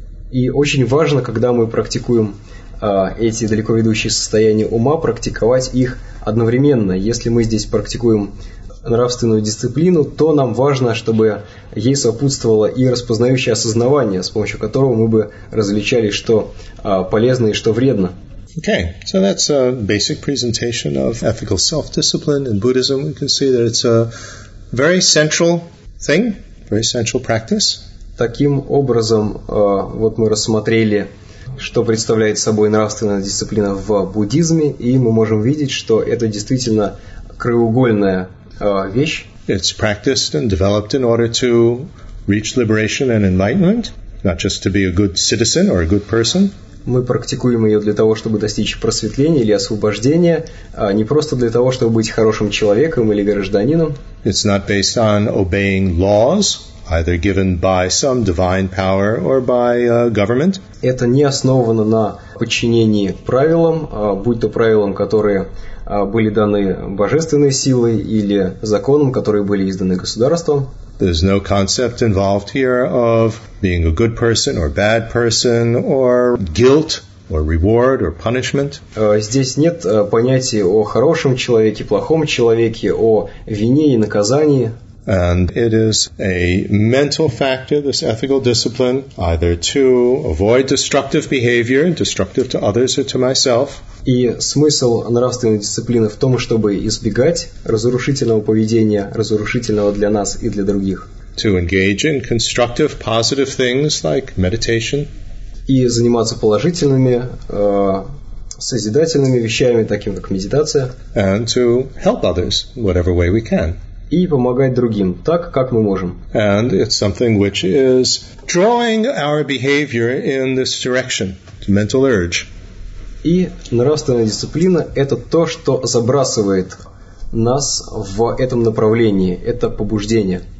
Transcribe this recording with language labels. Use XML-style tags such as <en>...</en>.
<ru>И очень важно, когда мы практикуем эти далеко ведущие состояния ума, практиковать их одновременно. Если мы здесь практикуем нравственную дисциплину, то нам важно, чтобы ей сопутствовало и распознающее осознавание, с помощью которого мы бы различали, что полезно и что вредно.</ru> <en>Okay, so that's a basic presentation of ethical self-discipline in Buddhism. We can see that it's a very central thing, very central practice.</en> <ru>Таким образом, вот мы рассмотрели, что представляет собой нравственная дисциплина в буддизме, и мы можем видеть, что это действительно краеугольная вещь.</ru> <en>It's practiced and developed in order to reach liberation and enlightenment, not just to be a good citizen or a good person.</en> <ru>Мы практикуем ее для того, чтобы достичь просветления или освобождения, а не просто для того, чтобы быть хорошим человеком или гражданином.</ru> <en>It's not based on obeying laws, either given by some divine power or by government.</en> <ru>Это не основано на подчинении правилам, будь то правилам, которые были даны божественной силой или законам, которые были изданы государством.</ru> <en>There's no concept involved here of being a good person or bad person or guilt or reward or punishment.</en> <ru>Здесь нет понятия о хорошем человеке, плохом человеке, о вине и наказании.</ru> <en>And it is a mental factor, this ethical discipline, either to avoid destructive behavior, destructive to others or to myself.</en> <ru>И смысл нравственной дисциплины в том, чтобы избегать разрушительного поведения, разрушительного для нас и для других.</ru> <en>To engage in constructive, positive things like meditation.</en> <ru>И заниматься положительными, созидательными вещами, таким как медитация.</ru> <en>And to help others, whatever way we can.</en> <ru>И помогать другим так, как мы можем.</ru> <en>And it's something which is drawing our behavior in this direction, to mental urge.</en> <ru>И нравственная дисциплина – это то, что забрасывает нас в этом направлении, это побуждение.</ru>